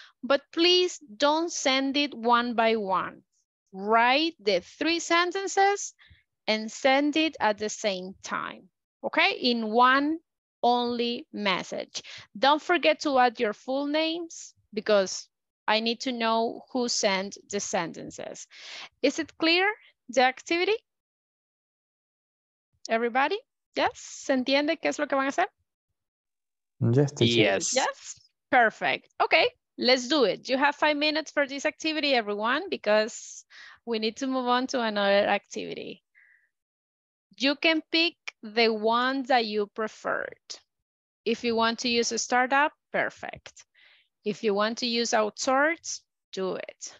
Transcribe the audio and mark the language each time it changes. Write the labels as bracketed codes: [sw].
[en] But please don't send it one by one. Write the three sentences and send it at the same time, okay? In one only message. Don't forget to add your full names because I need to know who sent the sentences. Is it clear, the activity? Everybody? [es] Yes, ¿se entiende qué es lo que van a hacer? [en] Yes, yes. Yes, perfect. Okay, Let's do it. You have 5 minutes for this activity, everyone, because we need to move on to another activity. You can pick the one that you preferred. If you want to use a startup, perfect. If you want to use outsource, do it.